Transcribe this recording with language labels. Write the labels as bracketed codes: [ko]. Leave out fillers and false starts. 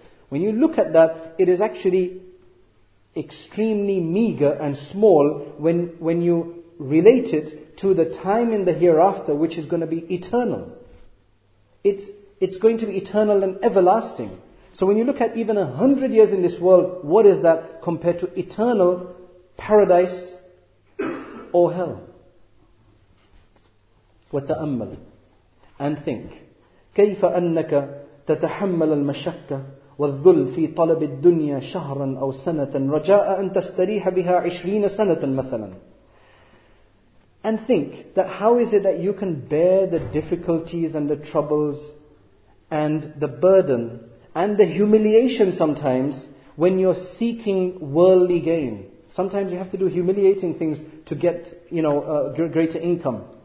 [en] When you look at that, it is actually extremely meager and small when you relate it to the time in the hereafter, which is going to be eternal. It's going to be eternal and everlasting. So when you look at even 100 years in this world, what is that compared to eternal paradise or hell? وتأمل. And think. [ar] كيف أنك تتحمل المشقة والذل في طلب الدنيا شهرا أو سنة رجاء أن تستريح بها 20 سنة مثلا. [en] And think that how is it that you can bear the difficulties and the troubles and the burden and the humiliation sometimes when you're seeking worldly gain? Sometimes you have to do humiliating things to get, you know, greater income.